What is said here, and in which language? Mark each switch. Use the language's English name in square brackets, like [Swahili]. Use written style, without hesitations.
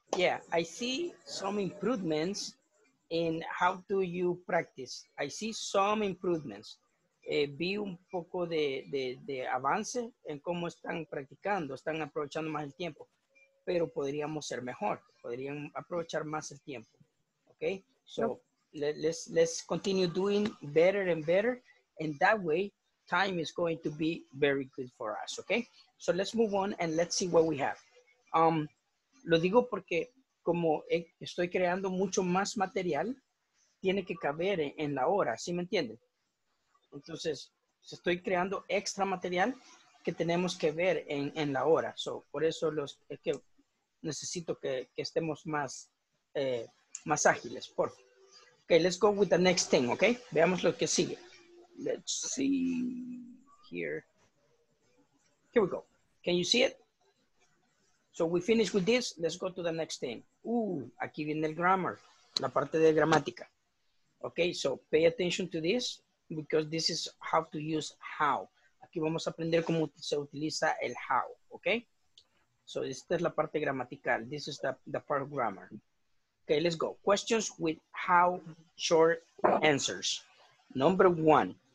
[English] Yeah. I see some improvements in how do you practice. I see some improvements. [Spanish] Vi un poco de avance en cómo están practicando, están aprovechando más el tiempo, pero podríamos ser mejor, podrían aprovechar más el tiempo. [English] Okay, so let's continue doing better and better, and that way time is going to be very good for us. Okay, so let's move on and let's see what we have. [Spanish] Lo digo porque como estoy creando mucho más material, tiene que caber en la hora, ¿sí me entienden? Entonces, estoy creando extra material que tenemos que ver en la hora. So, por eso los es que necesito que estemos más, más ágiles, por favor. [English] Okay, let's go with the next thing, okay? [Spanish] Veamos lo que sigue. [English] Let's see here. Here we go. Can you see it? So we finish with this. Let's go to the next thing. [Spanish] Ooh, aquí viene el grammar, la parte de gramática. [English] Okay, so pay attention to this because this is how to use how. [Spanish] Aquí vamos a aprender cómo se utiliza el how, okay? [English] So [Spanish] esta es la parte gramatical. [English] This is the part of grammar. Okay, let's go. Questions with how short answers. Number one.